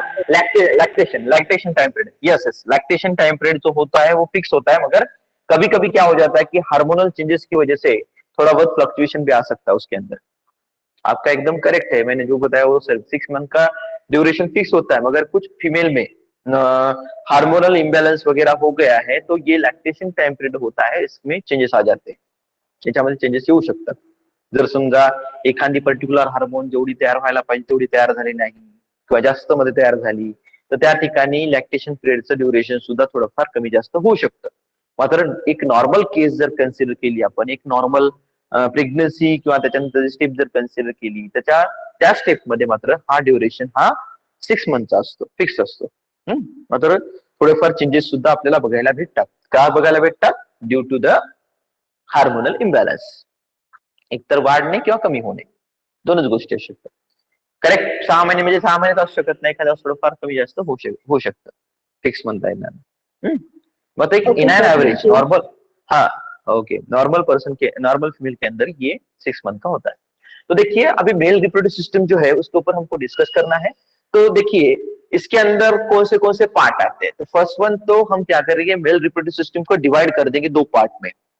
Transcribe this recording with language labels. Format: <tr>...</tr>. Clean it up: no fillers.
<hi>Lactation time period, yes yes, lactation time period जो होता है वो फिक्स होता है, मगर कभी कभी क्या हो जाता है कि हार्मोनल चेंजेस की वजह से थोड़ा बहुत फ्लक्चुएशन भी आ सकता है उसके अंदर। आपका एकदम करेक्ट है, मैंने जो बताया वो सिर्फ 6 मंथ का ड्यूरेशन फिक्स होता है, मगर कुछ फीमेल में हार्मोनल इम्बेलेंस वगैरह हो गया है तो ये लैक्टेशन टाइम पीरियड होता है, इसमें चेंजेस आ जाते हैं,</hi> <mr>याच्यामध्ये चेंजेस येऊ शकतात। जर समजा एखादी पर्टिक्युलर हार्मोन जेवढी तयार व्हायला पाहिजे तेवढी तयार झाली नाही किंवा जास्त मध्ये तयार झाली, तर त्या ठिकाणी लॅक्टेशन पिरियडचं ड्युरेशन सुद्धा थोडंफार कमी जास्त होऊ शकतं। मात्र एक नॉर्मल केस जर कन्सिडर केली आपण, एक नॉर्मल प्रेग्नन्सी किंवा त्याच्यानंतर स्टेप जर कन्सिडर केली, त्याच्या त्या स्टेपमध्ये मात्र हा ड्युरेशन हा 6 मंथचा असतो, फिक्स असतो। मात्र थोडेफार चेंजेस सुद्धा आपल्याला बघायला भेटतात, का बघायला भेटतात?</mr> <en>due to the hormonal imbalance,</en> <mr>एकतर वाढणे किंवा कमी होणे, दोनच गोष्टी असू शकतात। करेक्ट, 6 महिने म्हणजे 6 महिने असू शकत नाही, एखाद्या थोडंफार कमी जास्त होऊ शकतं, फिक्स मंथ आहे ना।</mr> <hi>मत एक इन एन एवरेज नॉर्मल, हाँ ओके, नॉर्मल पर्सन के, नॉर्मल फीमेल के अंदर ये 6 मंथ का होता है। तो देखिए अभी मेल रिप्रोड्यूटिव सिस्टम जो है उसके ऊपर हमको डिस्कस करना है। तो देखिए इसके अंदर कौन से पार्ट आते हैं। तो फर्स्ट वन तो हम क्या करेंगे, मेल रिप्रोड्यूटिव सिस्टम को डिवाइड कर देंगे दो पार्ट में।</hi>